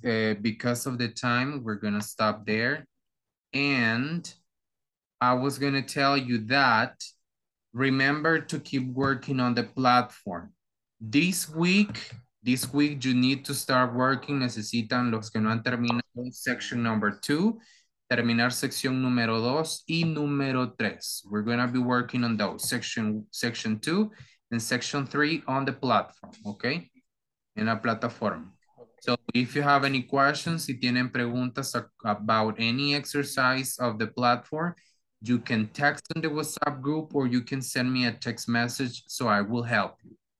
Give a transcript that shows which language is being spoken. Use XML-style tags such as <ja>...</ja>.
<en>Because of the time, we're gonna stop there. And I was gonna tell you that, remember to keep working on the platform. This week you need to start working.</en> <es>Necesitan los que no han terminado</es> <en>section number 2,</en> <es>terminar sección número 2 y número 3.</es> <en>We're gonna be working on those, section 2 and section 3 on the platform, okay?</en> <es>En la plataforma.</es> <en>So if you have any questions,</en> <es>si tienen preguntas</es> <en>about any exercise of the platform, you can text in the WhatsApp group or you can send me a text message so I will help you.</en>